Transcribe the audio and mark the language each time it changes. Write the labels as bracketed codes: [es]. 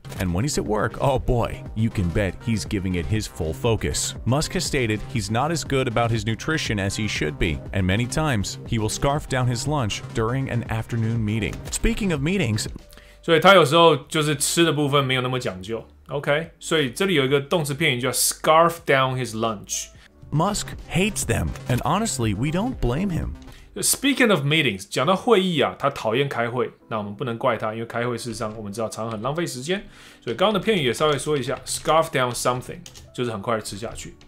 [en] And when he's at work, oh boy, you can bet he's giving it his full focus. Musk has stated he's not as good about his nutrition as he should be, and many times he will scarf down his lunch during an afternoon meeting. Speaking of meetings。 [zh] 所以他有时候就是吃的部分没有那么讲究 ，OK？所以这里有一个动词片语叫 scarf down his lunch。 [en] Musk hates them, and honestly, we don't blame him. Speaking of meetings， [zh] 讲到会议啊，他讨厌开会，那我们不能怪他，因为开会事实上我们知道常常很浪费时间。所以刚刚的片语也稍微说一下 ，scarf down something 就是很快的吃下去。